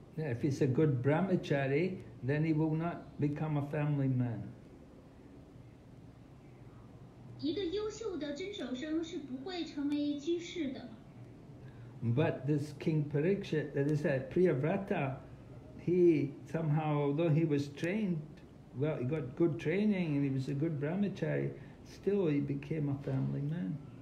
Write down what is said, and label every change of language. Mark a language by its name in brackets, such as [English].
[English] if he's a good brahmachari, then he will not become a family man. [Chinese] 一个优秀的遵守生是不会成为居士的。 [English] But this King Parikshit, that is that Priyavrata, he somehow, although he was trained, well, he got good training and he was a good brahmachari, still, he became a family man.